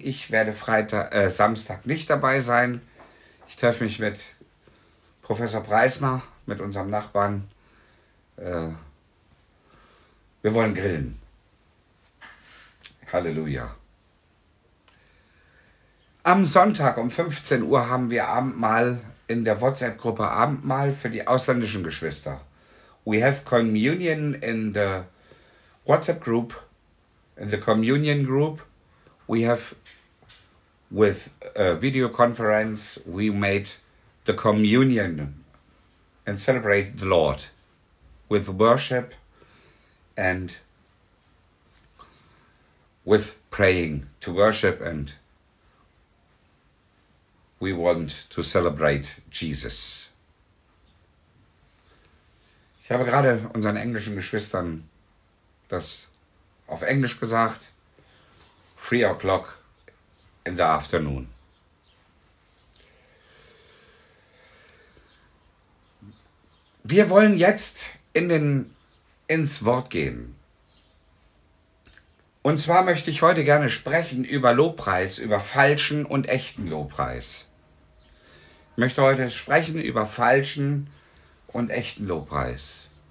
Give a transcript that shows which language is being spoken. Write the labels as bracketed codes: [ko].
[de] Ich werde Samstag nicht dabei sein. Ich treffe mich mit Professor Preisner, mit unserem Nachbarn. Wir wollen grillen. Halleluja. Am Sonntag um 15 Uhr haben wir Abendmahl in der WhatsApp-Gruppe Abendmahl für die ausländischen Geschwister. [en] We have communion in the WhatsApp group. In the communion group, we have with a video conference, we made the communion and celebrate the Lord. with worship and with praying, to worship, and we want to celebrate Jesus. [de] Ich habe gerade unseren englischen Geschwistern das auf Englisch gesagt. [en] 3 o'clock in the afternoon. [de] Wir wollen jetzt ins Wort gehen. Und zwar möchte ich heute gerne sprechen über Lobpreis, über falschen und echten Lobpreis. Ich möchte heute sprechen über falschen und echten Lobpreis.